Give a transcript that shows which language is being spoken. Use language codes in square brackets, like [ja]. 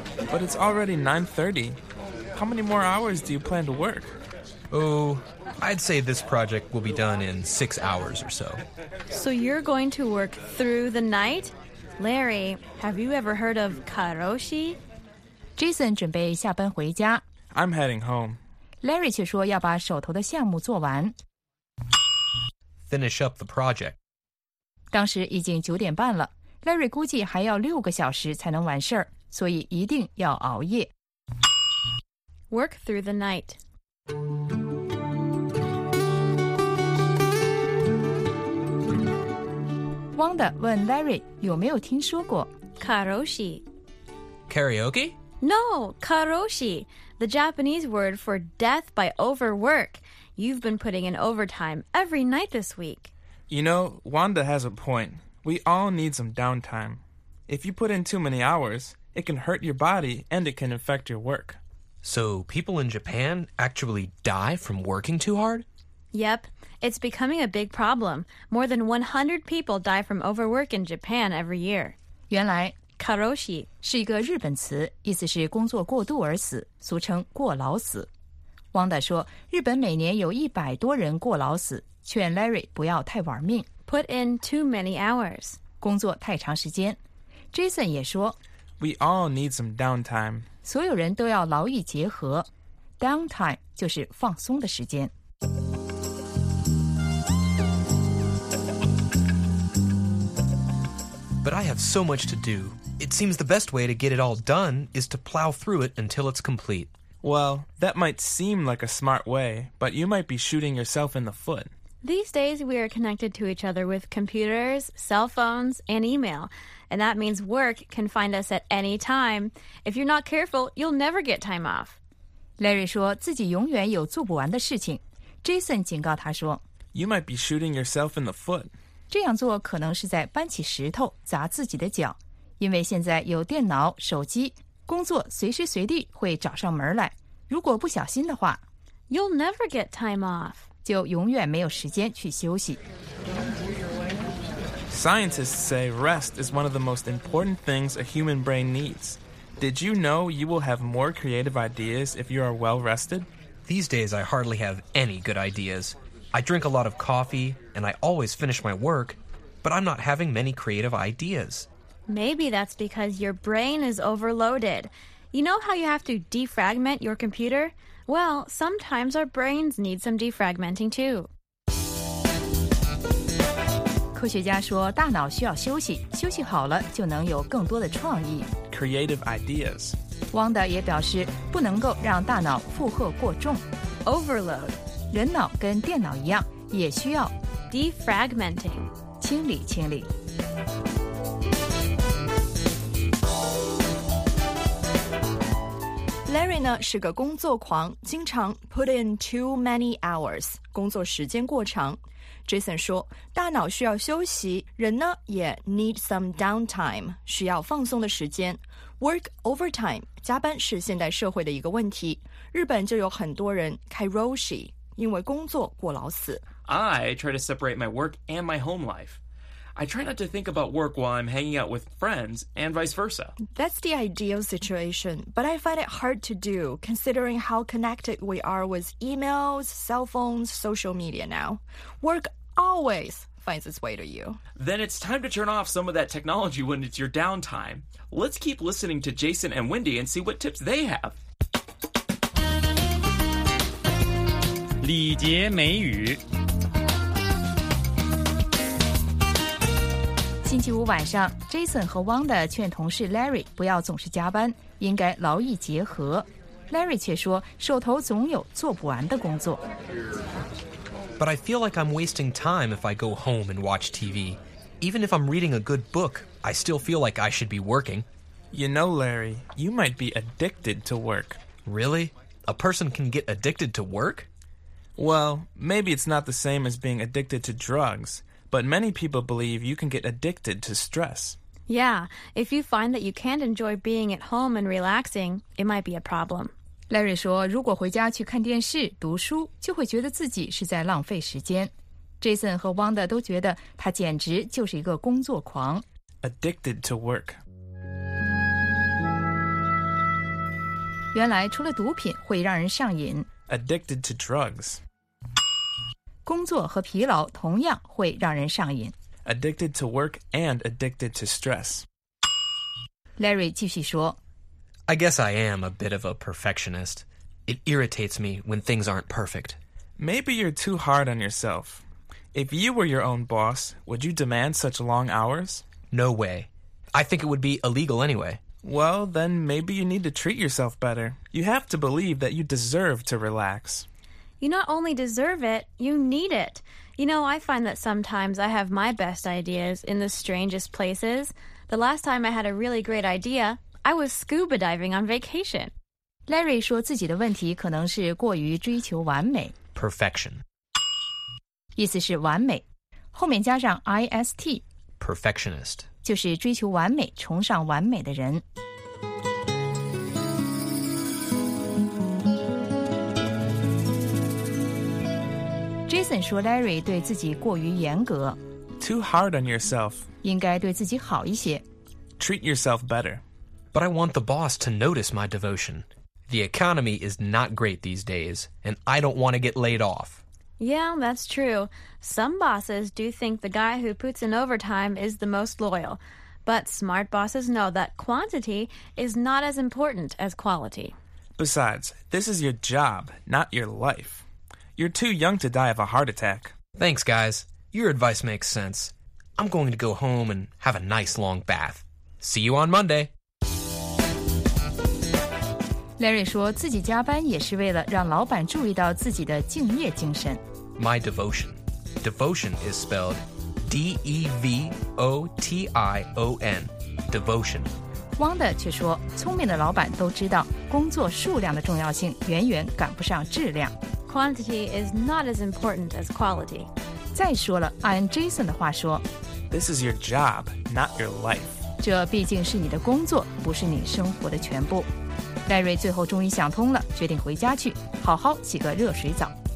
[en] But it's already 9:30. How many more hours do you plan to work? Oh, I'd say this project will be done in 6 hours or so. So you're going to work through the night? Larry, have you ever heard of karoshi? [zh] Jason 准备下班回家。 [en] I'm heading home. [zh] Larry 却说要把手头的项目做完。 [en] Finish up the project. [zh] 当时已经9:30了， Larry 估计还要6个小时才能完事儿，所以一定要熬夜。 [en] Work through the night. [zh] Wanda 问 Larry 有没有听说过 [ja] karoshi. [en] Karaoke? No, karoshi, the Japanese word for death by overwork. You've been putting in overtime every night this week. You know, Wanda has a point. We all need some downtime. If you put in too many hours, it can hurt your body and it can affect your work. So people in Japan actually die from working too hard? Yep, it's becoming a big problem. More than 100 people die from overwork in Japan every year. [zh] 原来 [ja] karoshi [zh] 是一个日本词，意思是工作过度而死，俗称过劳死。 Wanda 说，日本每年有100多人过劳死，劝 Larry 不要太玩命。 [en] Put in too many hours. [zh] 工作太长时间。Jason 也说 [en] ，We all need some downtime. [zh] 所有人都要劳逸结合。 Downtime 就是放松的时间。 [en] But I have so much to do. It seems the best way to get it all done is to plow through it until it's complete. Well, that might seem like a smart way, but you might be shooting yourself in the foot. These days, we are connected to each other with computers, cell phones, and email. And that means work can find us at any time. If you're not careful, you'll never get time off. [zh] Larry 说自己永远有做不完的事情。 Jason 警告他说 [en] You might be shooting yourself in the foot. [zh] 这样做可能是在搬起石头砸自己的脚，因为现在有电脑、手机，工作随时随地会找上门来。如果不小心的话 [en] ，You'll never get time off， [zh] 就永远没有时间去休息。 [en] Scientists say rest is one of the most important things a human brain needs. Did you know you will have more creative ideas if you are well rested? These days, I hardly have any good ideas. I drink a lot of coffee, and I always finish my work, but I'm not having many creative ideas. Maybe that's because your brain is overloaded. You know how you have to defragment your computer? Well, sometimes our brains need some defragmenting too. [zh] 科学家说大脑需要休息，休息好了就能有更多的创意。 [en] Creative ideas. [zh] Wanda 也表示不能够让大脑负荷过重。 [en] Overload. [zh] 人脑跟电脑一样，也需要 [en] defragmenting， [zh] 清理清理。 Larry 呢是个工作狂，经常 [en] put in too many hours， [zh] 工作时间过长。 Jason 说，大脑需要休息，人呢也 [en] need some downtime， [zh] 需要放松的时间。 [en] Work overtime， [zh] 加班是现代社会的一个问题。日本就有很多人 karoshi。因为工作过劳死。 [en] I try to separate my work and my home life. I try not to think about work while I'm hanging out with friends and vice versa. That's the ideal situation, but I find it hard to do considering how connected we are with emails, cell phones, social media now. Work always finds its way to you. Then it's time to turn off some of that technology when it's your downtime. Let's keep listening to Jason and Wendy and see what tips they have. [zh] 礼节美语。星期五晚上 ，Jason 和 Wanda 劝同事 Larry 不要总是加班，应该劳逸结合。 Larry 却说手头总有做不完的工作。 [en] But I feel like I'm wasting time if I go home and watch TV. Even if I'm reading a good book, I still feel like I should be working. You know, Larry, you might be addicted to work. Really? A person can get addicted to work? Well, maybe it's not the same as being addicted to drugs, but many people believe you can get addicted to stress. Yeah, if you find that you can't enjoy being at home and relaxing, it might be a problem. [zh] Larry 说，如果回家去看电视、读书，就会觉得自己是在浪费时间。 Jason 和 Wanda 都觉得他简直就是一个工作狂。 [en] Addicted to work. [zh] 原来除了毒品会让人上瘾。 [en] Addicted to drugs. [zh] 工作和疲劳同样会让人上瘾。 [en] Addicted to work and addicted to stress. [zh] Larry 继续说。 [en] I guess I am a bit of a perfectionist. It irritates me when things aren't perfect. Maybe you're too hard on yourself. If you were your own boss, would you demand such long hours? No way. I think it would be illegal anyway. Well, then maybe you need to treat yourself better. You have to believe that you deserve to relax. You not only deserve it, you need it. You know, I find that sometimes I have my best ideas in the strangest places. The last time I had a really great idea... I was scuba diving on vacation. [zh] Larry 说自己的问题可能是过于追求完美。 [en] Perfection. [zh] 意思是完美。后面加上 IST. [en] Perfectionist. [zh] 就是追求完美、崇尚完美的人。 Jason 说 Larry 对自己过于严格。 [en] Too hard on yourself. [zh] 应该对自己好一些。 [en] Treat yourself better. But I want the boss to notice my devotion. The economy is not great these days, and I don't want to get laid off. Yeah, that's true. Some bosses do think the guy who puts in overtime is the most loyal. But smart bosses know that quantity is not as important as quality. Besides, this is your job, not your life. You're too young to die of a heart attack. Thanks, guys. Your advice makes sense. I'm going to go home and have a nice long bath. See you on Monday. [zh] Larry 说自己加班也是为了让老板注意到自己的敬业精神。 [en] My devotion. Devotion is spelled D-E-V-O-T-I-O-N. Devotion. [zh] Wanda 却说聪明的老板都知道工作数量的重要性远远赶不上质量。 [en] Quantity is not as important as quality. [zh] 再说了按 Jason 的话说 [en] This is your job, not your life. [zh] 这毕竟是你的工作不是你生活的全部。 Larry 最后终于想通了，决定回家去，好好洗个热水澡。